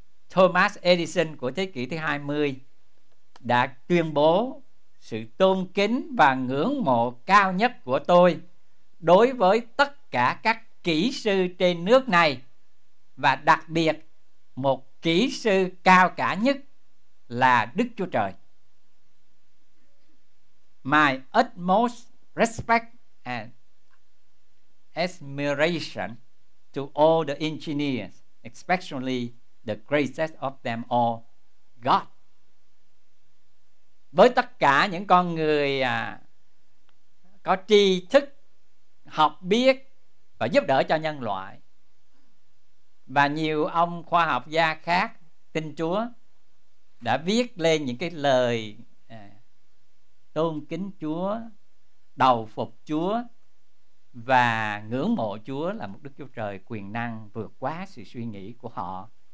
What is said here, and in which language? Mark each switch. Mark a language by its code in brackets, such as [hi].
[vi] Thomas Edison của thế kỷ thứ 20 đã tuyên bố: sự tôn kính và ngưỡng mộ cao nhất của tôi đối với tất cả các kỹ sư trên nước này, và đặc biệt một kỹ sư cao cả nhất là Đức Chúa Trời. [en] My utmost respect and admiration to all the engineers, especially the greatest of them all, God. [vi] Với tất cả những con người có tri thức, học biết và giúp đỡ cho nhân loại, và nhiều ông khoa học gia khác tin Chúa đã viết lên những cái lời tôn kính Chúa, đầu phục Chúa và ngưỡng mộ Chúa là một Đức Chúa Trời quyền năng vượt quá sự suy nghĩ của họ.